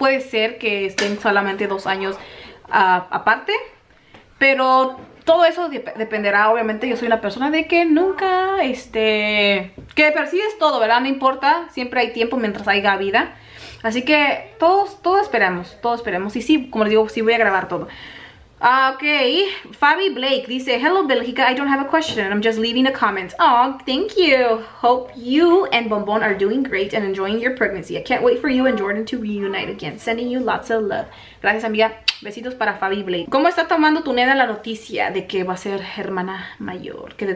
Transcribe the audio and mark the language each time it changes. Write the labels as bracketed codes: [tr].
[es] Puede ser que estén solamente 2 años aparte, pero todo eso dependerá, obviamente. Yo soy una persona de que nunca, que persigues todo, ¿verdad? No importa, siempre hay tiempo mientras haya vida. Así que todos esperamos, todos esperamos. Y sí, como les digo, sí voy a grabar todo. [en] Ok, Fabi Blake dice: hello, Bélgica, I don't have a question, I'm just leaving a comment. Oh, thank you. Hope you and Bombón are doing great and enjoying your pregnancy. I can't wait for you and Jordan to reunite again. Sending you lots of love. [es] Gracias, amiga. Besitos para Fabi Blake. ¿Cómo está tomando tu nena la noticia de que va a ser hermana mayor?